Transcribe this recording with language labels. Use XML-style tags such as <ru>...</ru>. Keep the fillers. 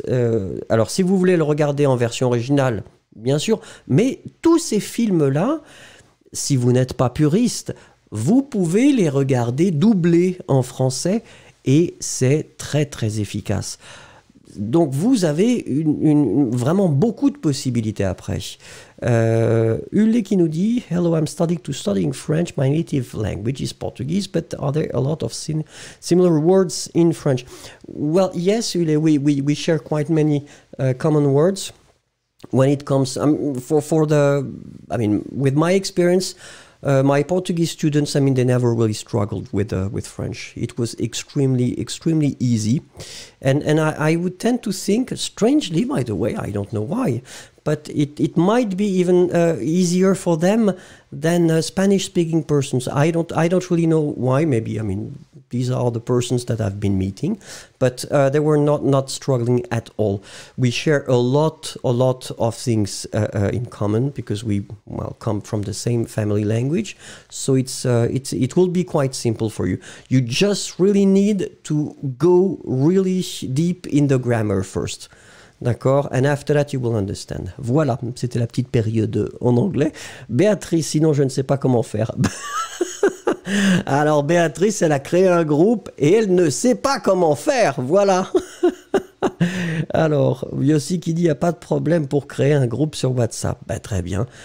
<fr>Euh, alors, si vous voulez le regarder en version originale, bien sûr. Mais tous ces films-là, si vous n'êtes pas puriste, vous pouvez les regarder doublés en français et c'est très, très efficace donc vous avez une, une, vraiment beaucoup de possibilités après.</fr> <en>Uh,</en> <fr>qui nous dit</fr> <en>Hello, I'm studying to studying French. My native language is Portuguese, but are there a lot of similar words in French? Well, yes, Ulle, we, we, we, share quite many uh, common words when it comes um, for, for the. I mean, with my experience. Uh, my Portuguese students, I mean, they never really struggled with uh, with French. It was extremely, extremely easy, and and I, I would tend to think, strangely, by the way, I don't know why, but it, it, might be even uh, easier for them than uh, Spanish speaking persons. I don't, I don't really know why. Maybe, I mean, these are the persons that I've been meeting, but uh, they were not, not struggling at all. We share a lot, a lot of things uh, uh, in common because we well, come from the same family language. So it's, uh, it's, it will be quite simple for you. You just really need to go really deep in the grammar first.</en> <fr>D'accord</fr> <en>And after that, you will understand.</en> <fr>Voilà, c'était la petite période en anglais. Béatrice, sinon je ne sais pas comment faire. Alors, Béatrice, elle a créé un groupe et elle ne sait pas comment faire. Voilà. Alors, Yossi qui dit il n'y a pas de problème pour créer un groupe sur WhatsApp. Ben, très bien.</fr>